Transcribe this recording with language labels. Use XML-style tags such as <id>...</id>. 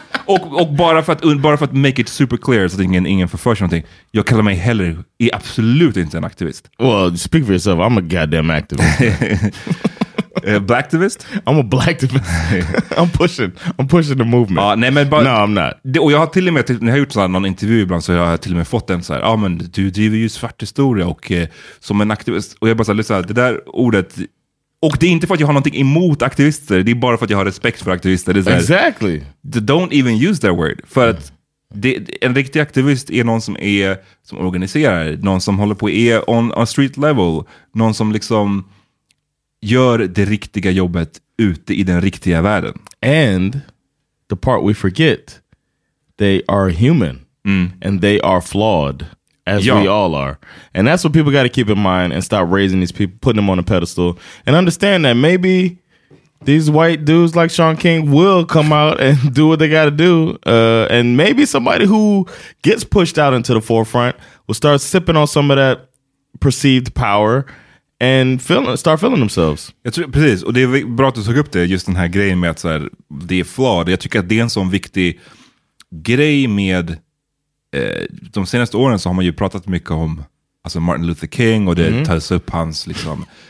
<sv>Och bara för att</sv> <en>make it super clear</en> <sv>så att ingen förför sig någonting. Jag kallar mig heller absolut inte en aktivist.</sv> <en>Well, speak for yourself. I'm a goddamn activist. Blacktivist? I'm a blacktivist. I'm pushing the movement.</en> <sv>Ah, nej, men bara,</sv> <en>no, I'm not.</en> <sv>Det, och jag har till och med, när jag har gjort någon intervju ibland, så jag har till och med fått en så här, ah, men du driver ju svart historia och som en aktivist. Och jag bara så här, det där ordet. Och det är inte för att jag har någonting emot aktivister. Det är bara för att jag har respekt för aktivister. Det är så här,</sv> <en>exactly. Don't even use that word.</en> <sv>För att en riktig aktivist är någon som är, som organiserar. Någon som håller på är</sv> <en>on street level.</en> <sv>Någon som liksom gör det riktiga jobbet ute i den riktiga världen.</sv> <en>And the part we forget, they are human. Mm. And they are flawed. As we all are. And that's what people got to keep in mind and stop raising these people, putting them on a pedestal. And understand that maybe these white dudes like Sean King will come out and do what they got to do. And maybe somebody who gets pushed out into the forefront will start sipping on some of that perceived power and start feeling themselves.</en> <sv>Jag tror, precis. Och det är bra att du tog upp det, just den här grejen med att så här, det är flawed. Jag tycker att det är en sån viktig grej med... De senaste åren så har man ju pratat mycket om, alltså, Martin Luther King, och det tas upp hans liksom.</sv>